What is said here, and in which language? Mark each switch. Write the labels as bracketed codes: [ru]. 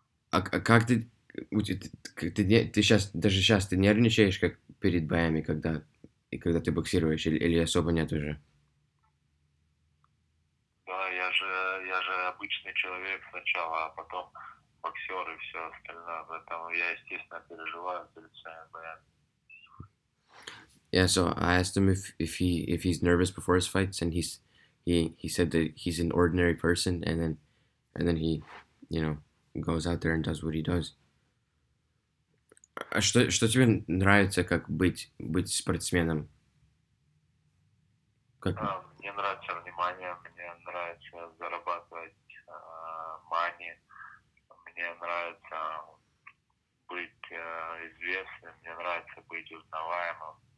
[ru] Как ты сейчас, даже сейчас ты нервничаешь, как перед боями, когда ты боксируешь, или особо нет уже? Да, я же обычный человек сначала, а потом боксер и все остальное. Поэтому я, естественно, переживаю перед своими боями. [en] Yeah, so I asked him if he's nervous before his fights, and he said that he's an ordinary person, and then he, you know, goes out there and does what he does. [ru] А что тебе нравится, как быть спортсменом? Как? Мне нравится внимание, мне нравится зарабатывать money, мне нравится быть известным, мне нравится быть узнаваемым.